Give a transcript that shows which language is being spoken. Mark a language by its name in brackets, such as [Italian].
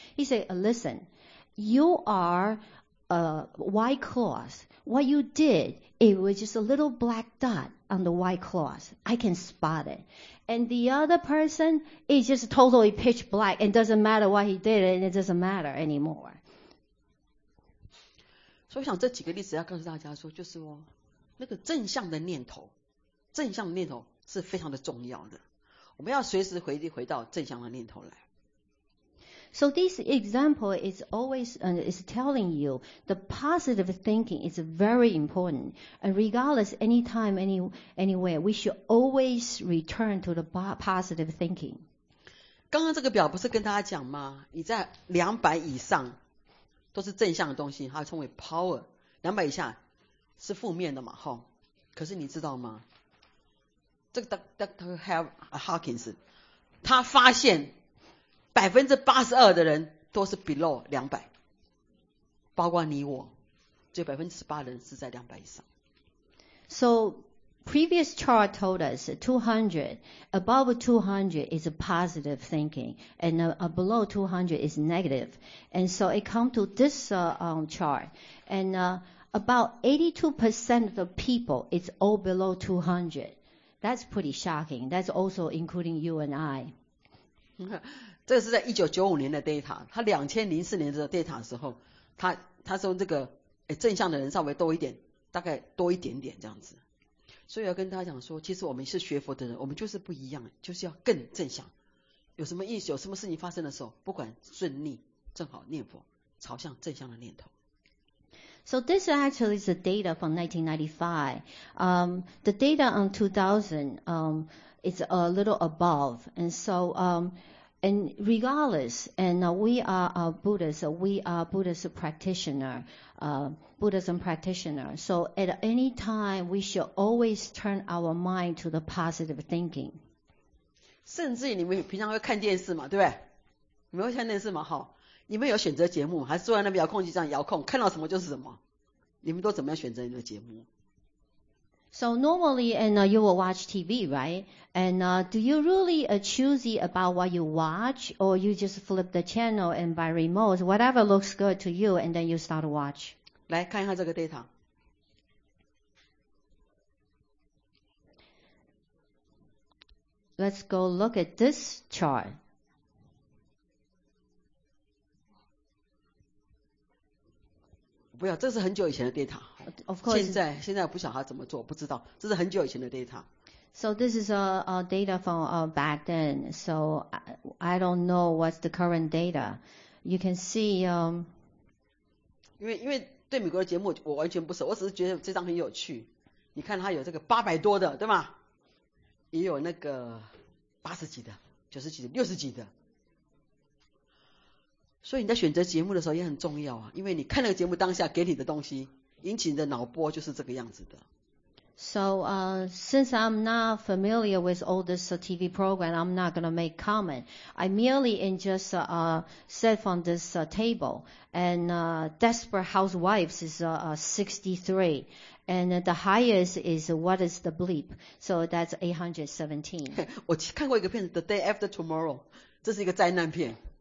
[English] He said, "Listen, you are a white cloth. What you did, it was just a little black dot on the white cloth. I can spot it. And the other person is just totally pitch black. It doesn't matter what he did, and it doesn't matter anymore." [Chinese] 所以我想这几个例子要告诉大家说，就是哦，那个正向的念头，正向的念头是非常的重要的。我们要随时回到正向的念头来。 [English] So this example is always and is telling you the positive thinking is very important. And regardless anytime, anywhere, we should always return to the positive thinking. [Chinese] 刚刚这个表不是跟大家讲吗？你在200以上。都是正向的东西，它称为 power。 200以下是负面的嘛，哈。可是你知道吗？这个 Dr. Hawkins 他发现82%的人都是 [English] below 200， [Chinese] 包括你我，只有18%的人是在200以上。 [English] So previous chart told us 200 above 200 is a positive thinking and below 200 is negative. And so it come to this chart and about 82% of the people is all below 200. That's pretty shocking. That's also including you and I. [Chinese] 这是在1995年的 data， 他2004年的 data 的时候，他说这个正向的人稍微多一点，大概多一点点这样子。所以要跟大家讲说，其实我们是学佛的人，我们就是不一样，就是要更正向。有什么意思，有什么事情发生的时候，不管顺逆，正好念佛，朝向正向的念头。 [English] So this actually is the data from 1995. The data on 2000, is a little above. And so, and regardless, and we are Buddhists, we are Buddhist practitioner, Buddhism practitioner. So at any time, we should always turn our mind to the positive thinking. [Chinese] 甚至你们平常会看电视嘛，对不对？你们会看电视吗？好，你们有选择节目，还是坐在那边遥控器上遥控，看到什么就是什么？你们都怎么样选择你的节目？ [English] So normally, and you will watch TV, right? And do you really choosy about what you watch, or you just flip the channel and by remote, whatever looks good to you, and then you start to watch? [Chinese] 来看一下这个 data。 [English] Let's go look at this chart. Well, [Chinese] 这是很久以前的 data。 [English] Of course, [Chinese] 现在不晓得他怎么做，不知道，这是很久以前的 data。 [English] So this is a data from back then. So I don't know what's the current data. You can see, [Chinese] 因为对美国的节目我完全不熟，我只是觉得这张很有趣。你看它有这个800多的，对吗？也有那个八十几的、九十几的、六十几的。所以你在选择节目的时候也很重要啊，因为你看那个节目当下给你的东西，引起你的脑波就是这个样子的。 [English] So, since I'm not familiar with all this TV program, I'm not going to make comment. I merely in just sit on this table, and Desperate Housewives is 63. And the highest is what is the bleep? So that's 817. [Chinese] 我看过一个片子 The Day After Tomorrow, 这是一个灾难片。